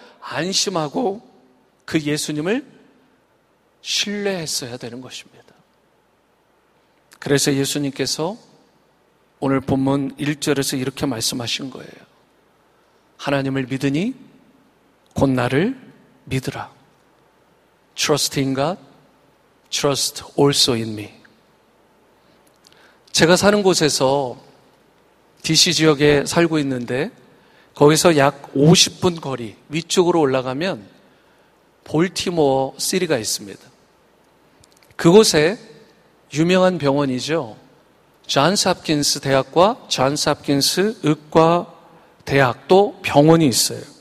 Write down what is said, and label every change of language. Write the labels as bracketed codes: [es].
[ko] 안심하고 그 예수님을 신뢰했어야 되는 것입니다. 그래서 예수님께서 오늘 본문 1절에서 이렇게 말씀하신 거예요. 하나님을 믿으니 곧 나를 믿으라. [en] Trust in God, trust also in me. [ko] 제가 사는 곳에서 DC 지역에 살고 있는데 거기서 약 50분 거리 위쪽으로 올라가면 볼티모어 시리가 있습니다. 그곳에 유명한 병원이죠. 존스 홉킨스 대학과 존스 홉킨스 의과 대학도 병원이 있어요.